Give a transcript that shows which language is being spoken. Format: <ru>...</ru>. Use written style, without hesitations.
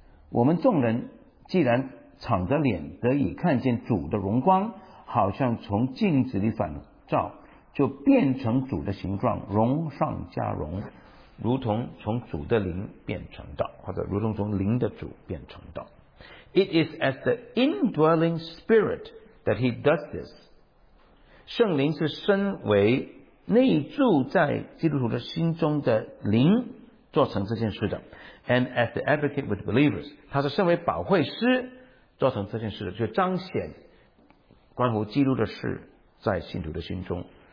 <zh>我们众人既然敞着脸得以看见主的荣光，好像从镜子里反照，就变成主的形状，荣上加荣，如同从主的灵变成的，或者如同从灵的主变成的。</zh> <en>It is as the indwelling spirit that he does this.</en> <zh>圣灵是身为内住在基督徒的心中的灵做成这件事的。</zh> <en>And as the advocate with believers,</en> <zh>他是身为保惠师做成这件事的，就彰显关乎基督的事在信徒的心中。</zh>